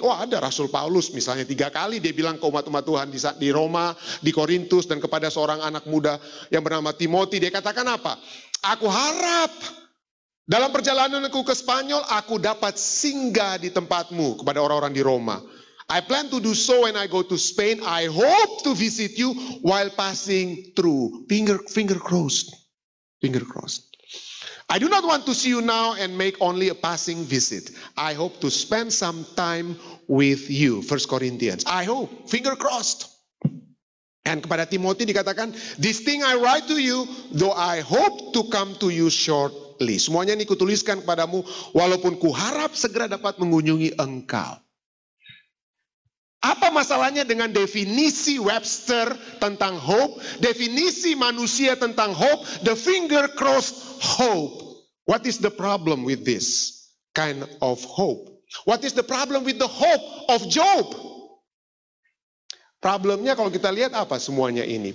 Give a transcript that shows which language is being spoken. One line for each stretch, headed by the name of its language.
Indonesian: Oh ada, Rasul Paulus misalnya 3 kali dia bilang ke umat-umat Tuhan di Roma, di Korintus, dan kepada seorang anak muda yang bernama Timoti. Dia katakan apa? Aku harap dalam perjalananku ke Spanyol, aku dapat singgah di tempatmu, kepada orang-orang di Roma.
English: I plan to do so when I go to Spain. I hope to visit you while passing through. Finger crossed. I do not want to see you now and make only a passing visit. I hope to spend some time with you. 1 Corinthians. I hope. Finger crossed. And
Indonesian: kepada Timothy dikatakan,
English: this thing I write to you, though I hope to come to you shortly.
Indonesian: Semuanya ini kutuliskan kepadamu, walaupun kuharap segera dapat mengunjungi engkau. Apa masalahnya dengan definisi Webster tentang hope? Definisi manusia tentang hope?
English: The finger crossed hope. What is the problem with this kind of hope? What is the problem with the hope of Job?
Indonesian: Problemnya kalau kita lihat apa semuanya ini?